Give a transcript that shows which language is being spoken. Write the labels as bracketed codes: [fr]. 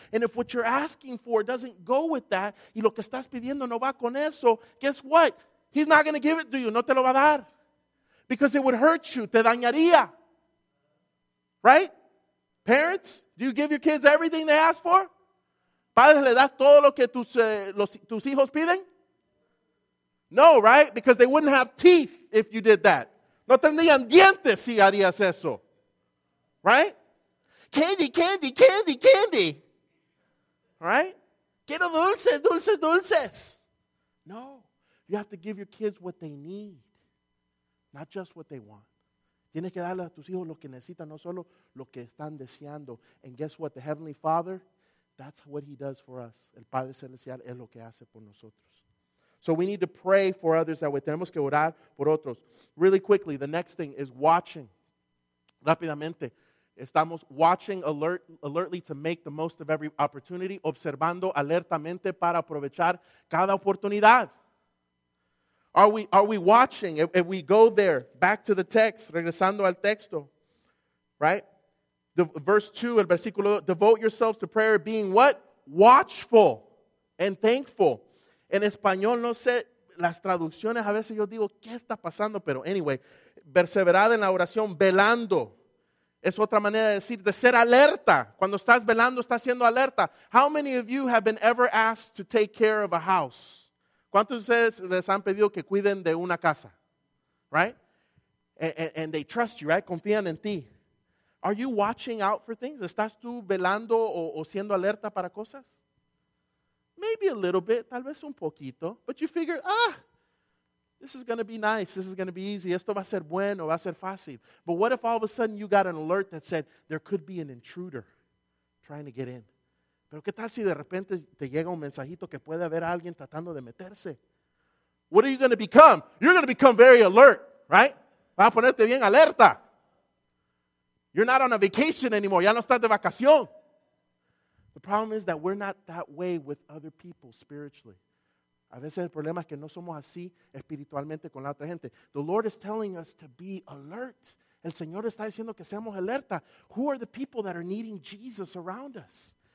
[en] And if what you're asking for doesn't go with that, [es] y lo que estás pidiendo no va con eso, [en] guess what? He's not going to give it to you. [es] No te lo va a dar. [en] Because it would hurt you. [es] Te dañaría. [en] Right? Parents, do you give your kids everything they ask for? [es] ¿Padres, le das todo lo que tus hijos piden? [en] No, right? Because they wouldn't have teeth if you did that. [es] No tendrían dientes si harías eso. [en] Right? Candy, candy, candy, candy. Right? [es] Quiero dulces, dulces, dulces. No. [en] You have to give your kids what they need, not just what they want. [es] Tienes que darle a tus hijos lo que necesitan, no solo lo que están deseando. [en] And guess what? The Heavenly Father, that's what He does for us. [es] El Padre Celestial es lo que hace por nosotros. [en] So we need to pray for others that way. [es] Tenemos que orar por otros. [en] Really quickly, the next thing is watching. [es] Rápidamente. Estamos [en] watching alertly to make the most of every opportunity, [es] observando alertamente para aprovechar cada oportunidad. [en] Are we watching? If we go there, back to the text, [es] regresando al texto, [en] right? The verse 2, [es] el versículo, [en] devote yourselves to prayer being what? Watchful and thankful. [es] En español, no sé, las traducciones, a veces yo digo, ¿qué está pasando? Pero anyway, perseverad en la oración, velando. Es otra manera de decir, de ser alerta. Cuando estás velando, estás siendo alerta. [en] How many of you have been ever asked to take care of a house? [es] ¿Cuántos de ustedes les han pedido que cuiden de una casa? [en] Right? And they trust you, right? [es] Confían en ti. [en] Are you watching out for things? [es] ¿Estás tú velando o siendo alerta para cosas? [en] Maybe a little bit, [es] tal vez un poquito. [en] But you figure, this is going to be nice. This is going to be easy. [es] Esto va a ser bueno. Va a ser fácil. [en] But what if all of a sudden you got an alert that said there could be an intruder trying to get in? [es] Pero qué tal si de repente te llega un mensajito que puede haber alguien tratando de meterse? [en] What are you going to become? You're going to become very alert, right? [es] Va a ponerte bien alerta. [en] You're not on a vacation anymore. [es] Ya no estás de vacación. [en] The problem is that we're not that way with other people spiritually. [es] A veces el problema es que no somos así espiritualmente con la otra gente. [en] The Lord is telling us to be alert. [es] El Señor está diciendo que seamos alerta. [en] Who are the people that are needing Jesus around us?